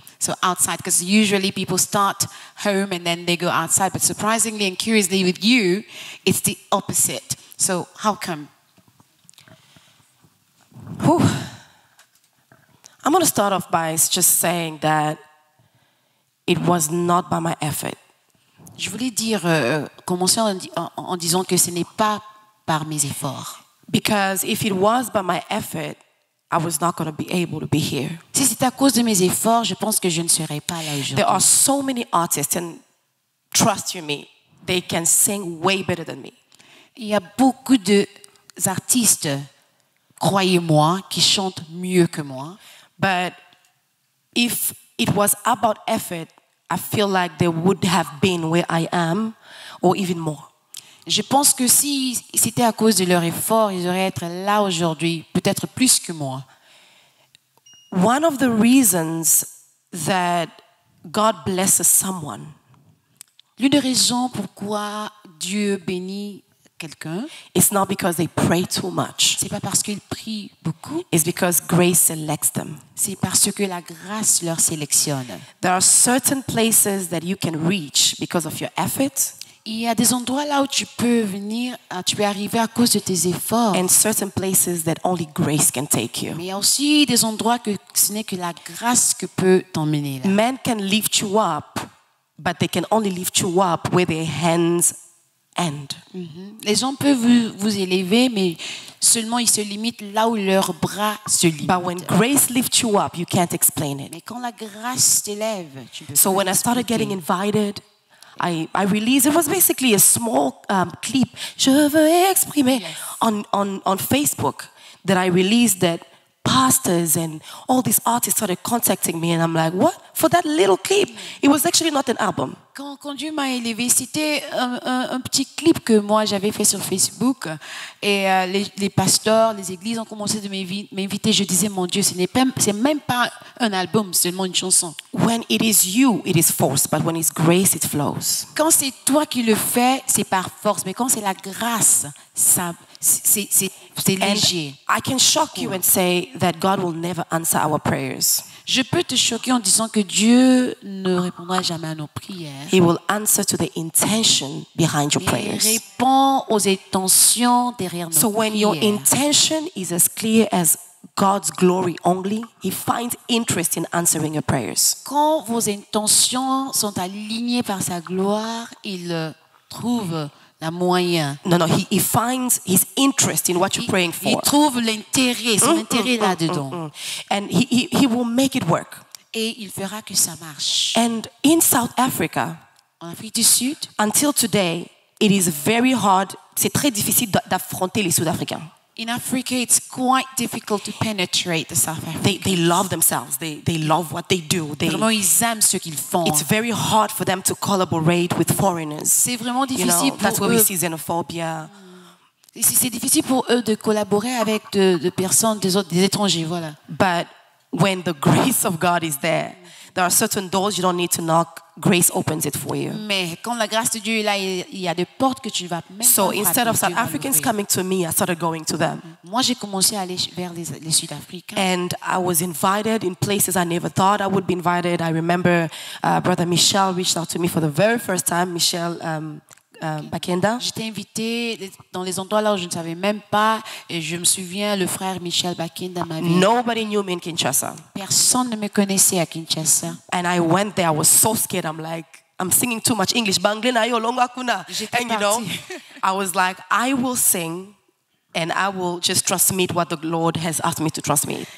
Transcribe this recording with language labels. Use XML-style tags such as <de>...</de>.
<en>So outside, because usually people start home and then they go outside. But surprisingly and curiously with you, it's the opposite. So how come? Whew. I'm going to start off by just saying that it was not by my effort.</en> <fr>Je voulais dire commencer en disant que ce n'est pas par mes efforts.</fr> <en>Because if it was by my effort, I was not going to be able to be here.</en> <fr>Si c'est à cause de mes efforts, je pense que je ne serais pas là aujourd'hui.</fr> <en>There are so many artists, and trust you me, they can sing way better than me.</en> <fr>Il y a beaucoup de artistes, croyez-moi, qui chantent mieux que moi.</fr> <en>But if it was about effort, I feel like they would have been where I am, or even more.</en> <fr>Je pense que si c'était à cause de leur effort, ils auraient été là aujourd'hui, peut-être plus que moi.</fr> <en>One of the reasons that God blesses someone.</en> <fr>L'une des raisons pourquoi Dieu bénit quelqu'un.</fr> <en>It's not because they pray too much.</en> <fr>C'est pas parce qu'ils prient beaucoup.</fr> <en>It's because grace selects them.</en> <fr>C'est parce que la grâce leur sélectionne.</fr> <en>There are certain places that you can reach because of your effort.</en> <fr>Il y a des endroits là où tu peux venir, tu peux arriver à cause de tes efforts.</fr> <en>And certain places that only grace can take you.</en> <fr>Mais aussi des endroits que ce n'est que la grâce que peut t'emmener là.</fr> <en>Men can lift you up, but they can only lift you up where their hands end.</en> <fr>Les hommes peuvent vous élever, mais seulement ils se limitent là où leurs bras se limitent.</fr> <en>But when grace lifts you up, you can't explain it.</en> <fr>Mais quand la grâce t'élève, tu peux.</fr> <en>So when I started getting invited, I released. It was basically a small clip.</en> <fr>Je veux exprimer</fr> <en>on Facebook that I released. That pastors and all these artists started contacting me, and I'm like, what for that little clip? It was actually not an album.</en> <fr>Quand Dieu m'a élevé, c'était un petit clip que moi j'avais fait sur Facebook, et les pasteurs, les églises ont commencé de m'inviter. Je disais, mon Dieu, c'est même pas un album, seulement une chanson.</fr> <en>When it is you, it is force, but when it's grace, it flows.</en> <fr>Quand c'est toi qui le fais, c'est par force, mais quand c'est la grâce, ça, c'est léger.</fr> <en>I can shock you and say that God will never answer our prayers.</en> <fr>Je peux te choquer en disant que Dieu ne répondra jamais à nos prières.</fr> <en>He will answer to the intention behind your prayers.</en> <fr>Il répond aux intentions derrière nos prières.</fr> <en>So when your intention is as clear as God's glory only, He finds interest in answering your prayers.</en> <fr>Quand vos intentions sont alignées par sa gloire, il trouve la moyen.</fr> <en>No, he finds his interest in what you're praying for.</en> <fr>Il trouve l'intérêt, son intérêt là-dedans.</fr> <en>And he will make it work.</en> <fr>Et il fera que ça marche.</fr> <en>And in South Africa,</en> <fr>en Afrique du Sud,</fr> <en>until today, it is very hard,</en> <fr>c'est très difficile d'affronter les Sud-Africains.</fr> <en>In Africa, it's quite difficult to penetrate the South Africans. They love themselves. They love what they do.</en> <fr>Vraiment, ils aiment ce qu'ils font.</fr> <en>It's very hard for them to collaborate with foreigners.</en> <fr>C'est vraiment difficile pour eux.</fr> <en>That's where we see xenophobia.</en> <fr>C'est difficile pour eux de collaborer avec de personnes, des autres, des étrangers, voilà.</fr> <en>But when the grace of God is there, there are certain doors you don't need to knock. Grace opens it for you.</en> <fr>Mais quand la grâce de Dieu est là, il y a des portes que tu vas même.</fr> <en>So instead of South Africans coming to me, I started going to them.</en> <fr>Moi, j'ai commencé à aller vers les Sud-Africains.</fr> <en>And I was invited in places I never thought I would be invited. I remember Brother Michel reached out to me for the very first time. Michel Bakenda.</en> <fr>J'étais invitée dans les endroits là où je ne savais même pas. Et je me souviens, le frère Michel Bakenda m'avait.</fr> <en>Nobody knew me in Kinshasa.</en> <fr>Personne ne me connaissait à Kinshasa.</fr> <en>And I went there. I was so scared. I'm like, I'm singing too much English.</en> <ln>Bangle na yo longa kuna.</ln> <en>And you know, I was like, I will sing. And I will just transmit what the Lord has asked me to transmit.</en>